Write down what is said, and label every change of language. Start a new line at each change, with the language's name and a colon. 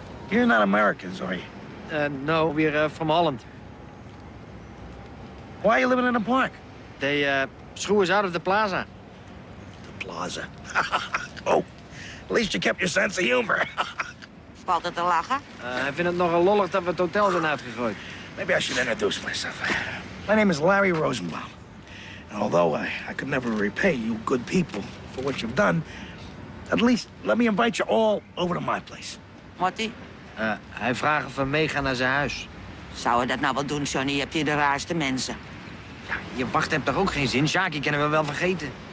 English: You're not Americans, are you? No, we're from Holland. Why are you living in a park? They threw us out of the plaza. The plaza. Oh, at least you kept your sense of humor.
Dutch: Valt het te lachen? Hij vindt het nogal lollig dat we het hotel zijn uitgegooid.
English: Maybe I should introduce myself. My name is Larry Rosenbaum. And although I could never repay you good people for what you've done, at least let me invite you all over to my place. Marty?
Dutch: Hij vraagt of we meegaan naar zijn huis. Zou hij dat nou wel doen, Johnny? Je hebt hier de raarste mensen. Ja, je wacht hebt toch ook geen zin? Sjaki kunnen we wel vergeten.